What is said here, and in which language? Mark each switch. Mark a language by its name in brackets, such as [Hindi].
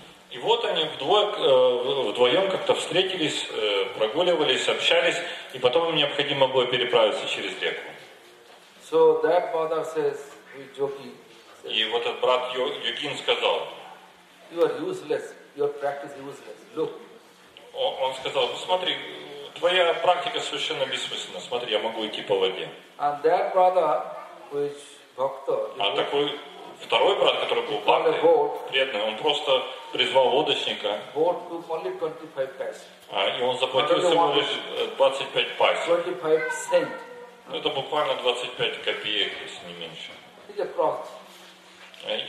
[Russian] И вот они вдвоем как-то встретились, прогуливались, общались, и потом им необходимо было переправиться через реку. [English] So that father says, Yogi, [Russian] и вот этот брат Йогин сказал, [English] you are useless. Your practice useless. Look. [Russian] Он сказал, смотри, твоя практика совершенно бессмысленна. Смотри, я могу идти по воде. [English] And that brother, which doctor, [Russian] а такой второй брат, который был бхактой, преданный, он просто призвал лодочника. И он заплатил всего лишь 25 пайсы. Ну, это буквально 25 копеек, если не меньше.